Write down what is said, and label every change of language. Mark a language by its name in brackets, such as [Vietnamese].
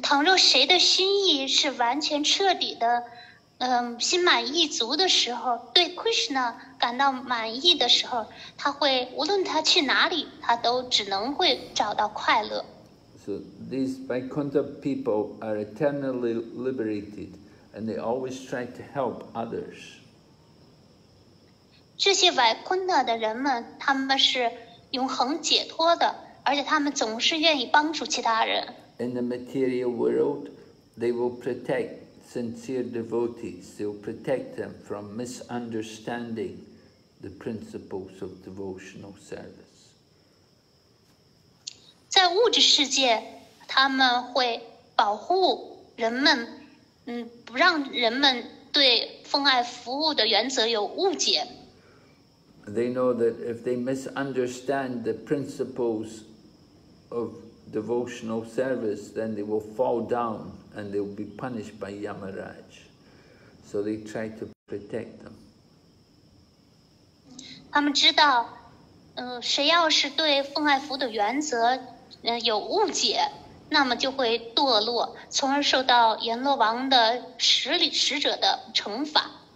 [Chinese] 倘若谁的心意是完全彻底的，心满意足的时候，对 Krishna 感到满意的时候，他会无论他去哪里，他都只能会找到快乐。 [English] So these Vaikuntha people are eternally liberated, and they always try to help others. [Chinese] 这些崴昆的人们，他们是永恒解脱的，而且他们总是愿意帮助其他人。 [English] In the material world, they will protect sincere devotees. They will protect them from misunderstanding the principles of devotional service. [Chinese] 在物质世界，他们会保护人们，不让人们对奉爱服务的原则有误解。 [English] They know that if they misunderstand the principles of devotional service, then they will fall down and they will be punished by Yamaraj. So they try to protect them. [Chinese] 他们知道，谁要是对奉爱服的原则，有误解，那么就会堕落，从而受到阎罗王的使者的惩罚。